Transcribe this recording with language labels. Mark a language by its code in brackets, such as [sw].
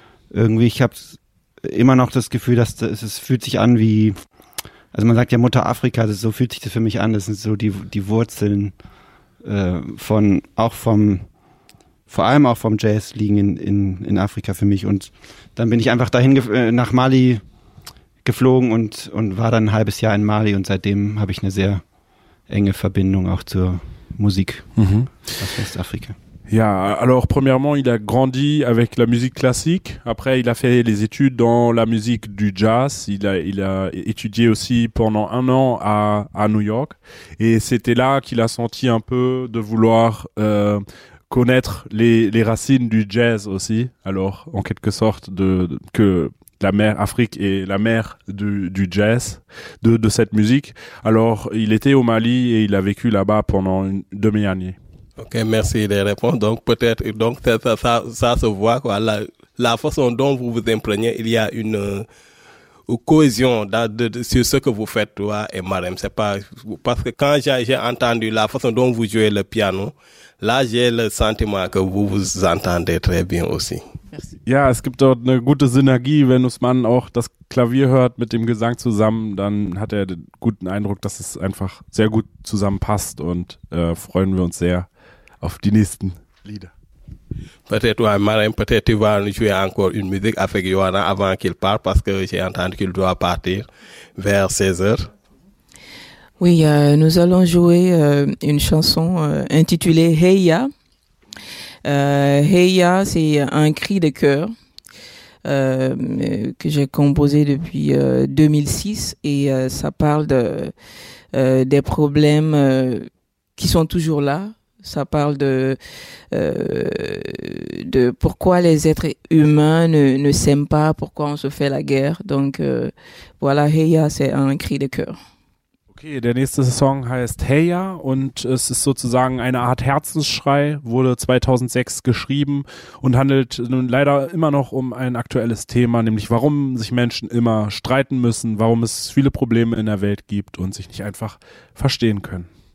[de] Irgendwie, ich habe immer noch das Gefühl, dass es fühlt sich an wie, also man sagt ja Mutter Afrika, das ist, so fühlt sich das für mich an, das sind so die Wurzeln von, auch vom, vor allem auch vom Jazz liegen in Afrika für mich. Und dann bin ich einfach dahin nach Mali geflogen und war dann ein halbes Jahr in Mali und seitdem habe ich eine sehr enge Verbindung auch zur Musik aus Westafrika. [fr] Ja, alors premièrement, il a grandi avec la musique classique. Après, il a fait les études dans la musique du jazz. Il a étudié aussi pendant un an à New York. Et c'était là qu'il a senti un peu de vouloir connaître les racines du jazz aussi. Alors, en quelque sorte, que la mère Afrique est la mère du jazz, de cette musique. Alors, il était au Mali et il a vécu là-bas pendant une demi-année. Ok, merci des réponses. Donc peut-être, donc ça se voit quoi. La façon dont vous vous imprégnez, il y a une cohésion sur ce que vous faites toi et Marem. C'est pas parce que quand j'ai entendu la façon dont vous jouez le piano, là j'ai le sentiment que vous vous entendez très bien aussi. Merci. [de] Ja, es gibt dort eine gute Synergie, wenn Usman auch das Klavier hört mit dem Gesang zusammen, dann hat er den guten Eindruck, dass es einfach sehr gut zusammenpasst und freuen wir uns sehr auf die nächsten Lieder. [fr] Peut-être, ouais, Marem, peut-être tu vas nous jouer encore une musique avec Johanna avant qu'il parte, parce que j'ai entendu qu'il doit partir vers 16h. Oui, nous allons jouer une chanson intitulée « Heya ». Heya, c'est un cri de cœur que j'ai composé depuis 2006 et ça parle de des problèmes qui sont toujours là. Ça parle de pourquoi les êtres humains ne s'aiment pas, pourquoi on se fait la guerre. Donc voilà, Heya, c'est un cri de cœur. [de] Okay, der nächste Song heißt Heya und es ist sozusagen eine Art Herzensschrei, wurde 2006 geschrieben und handelt nun leider immer noch um ein aktuelles Thema, nämlich warum sich Menschen immer streiten müssen, warum es viele Probleme in der Welt gibt und sich nicht einfach verstehen können.